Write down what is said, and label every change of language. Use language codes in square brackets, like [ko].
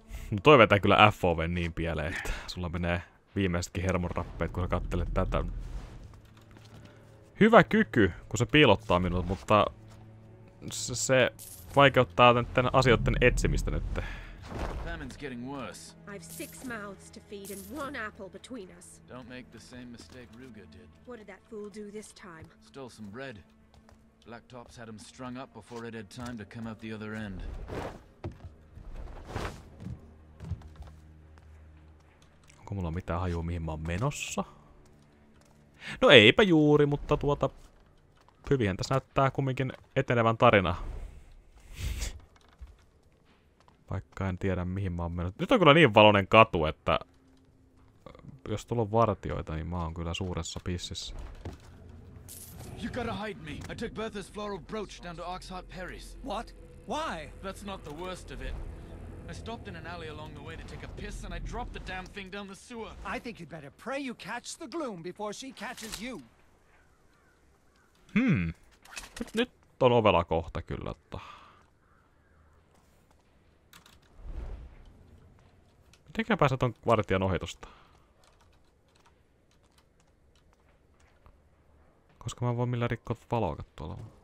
[fi] No toi vetää kyllä FOV niin pieleen, että sulla menee viimeisetkin hermonrappeet, kun sä kattelet tätä. Hyvä kyky, kun se piilottaa minut, mutta se vaikeuttaa tämän asioiden etsimistä nytte. [en] Famine's getting worse. I've 6 mouths to feed and 1 apple between us. Don't make the same mistake Ruga did. What did that fool do this time? Stole some bread. Blacktops had him strung up before it had time to come out the other end. [fi] Onko mulla mitään hajua mihin mä oon menossa? No eipä juuri, mutta tuota hyvihän tässä näyttää kumminkin etenevän tarina. Vaikka en tiedä mihin mä oon mennyt. Nyt on kyllä niin valoinen katu, että jos tuolla on vartioita, niin mä oon kyllä suuressa pississä. [en] You gotta hide me. I took Bertha's floral brooch down to Oxheart Perry's. What? Why? That's not the worst of it. I stopped in an alley along the way to take a piss and I dropped the damn thing down the sewer. I think you'd better pray you catch the gloom before she catches you. [fi] Nyt on ovela kohta kyllä, että mitenkään pääsee ton vartijan ohitusta? Koska mä voin millään rikkoa valoa tuolla.